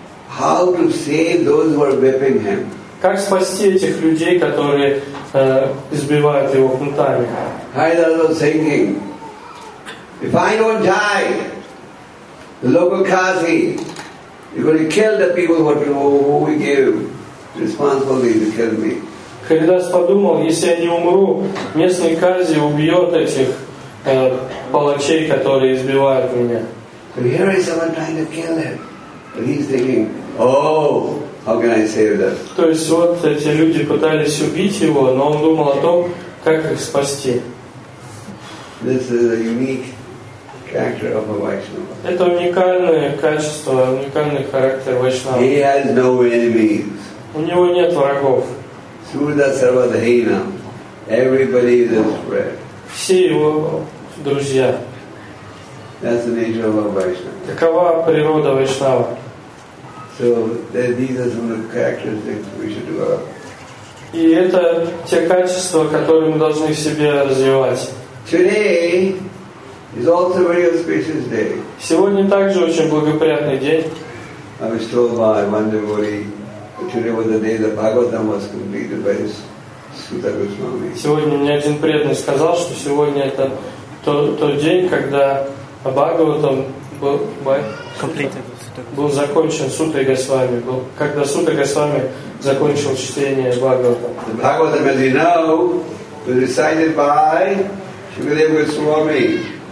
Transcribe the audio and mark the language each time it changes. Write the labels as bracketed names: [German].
[English] How to save those who are whipping him? [Russian] Как спасти этих людей, которые избивают его кнутами? [English] Харидас was thinking, if I don't die, the local Kazi is going to kill the people who we gave responsibility to kill me. [Russian] Харидас подумал, если я не умру, местный Кази убьет этих палачей, которые избивают меня. [English] But here is someone trying to kill him. And he's thinking, oh, How can I save them? [Russian] То есть вот эти люди пытались убить его, но он думал о том, как их спасти. [English] This is a unique character of a Vaishnava. [Russian] Это уникальное качество, уникальный характер Вайшнава. [English] He has no enemies. [Russian] У него нет врагов. [English] Sudha Sarvadhina. Everybody is his friend. [Russian] Все его друзья. [English] That's the nature of a Vaishnava. [Russian] Такова природа Вайшнава. [English] So these are some of the characteristics we should develop. [Russian] И это те качества, которые мы должны в себе развивать. [English] Today is also a very auspicious day. [Russian] Сегодня также очень благоприятный день. [English] I was told by one devotee today was the day the Bhagavatam was completed by his Sudha Goswami. [Russian] Сегодня мне один преданный сказал, что сегодня это тот день, когда Бхагаватам был закончен Сутой Госвами, когда Сута Госвами закончил чтение Бхагаватам. [English] Bhagavatam, as you know, was recited by Shrimad Goswami.